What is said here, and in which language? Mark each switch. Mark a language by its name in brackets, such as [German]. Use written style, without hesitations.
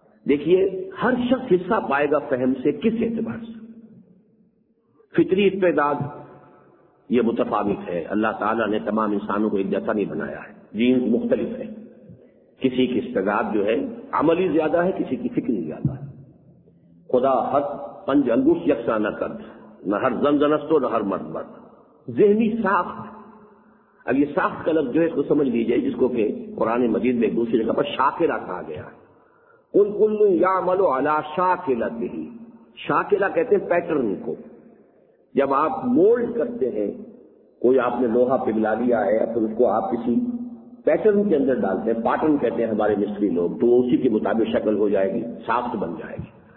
[Urdu] دیکھیے ہر شخص حصہ پائے گا فہم سے کس اعتبار سے؟ فطری استعداد یہ متفاوت ہے, اللہ تعالیٰ نے تمام انسانوں کو ایک جیسا نہیں بنایا ہے, جین مختلف ہے, کسی کی استعداد جو ہے عملی زیادہ ہے, کسی کی فکری زیادہ ہے. [Persian] خدا حق پنج انگوش یکساں نہ کرد, نہ ہر زن زنستو نہ ہر مرد مرد. [Urdu] ذہنی ساخت, اب یہ ساخت کا لفظ جو ہے اس کو سمجھ لیجئے, جس کو کہ قرآن مجید میں ایک دوسری جگہ پر شاکرہ کہا گیا ہے. [Arabic] قل کل یعمل علی شاکلتہ, [Urdu] شاکرہ کہتے ہیں پیٹرن کو. جب آپ مولڈ کرتے ہیں کوئی, آپ نے لوہا پگھلا لیا ہے یا پھر اس کو آپ کسی پیٹرن کے اندر ڈالتے ہیں, پاٹرن کہتے ہیں ہمارے مستری لوگ, تو اسی کے مطابق شکل ہو جائے گی, ساخت بن جائے گی.